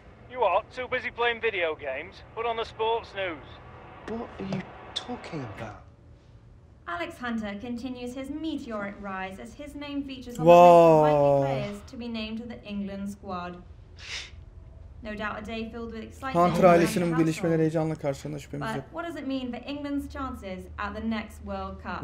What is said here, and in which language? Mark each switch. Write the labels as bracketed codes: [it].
[en] You are too busy playing video games. Put on the sports news. What are you talking about? Alex Hunter continues his meteoric rise as his name features on the list of likely players to be named to the England squad. No doubt a day filled with excitement. [tr] Hunter ailesinin bu gelişmeleri heyecanla karşılığında şüphemiz yok. [en] But what does it mean for England's chances at the next World Cup?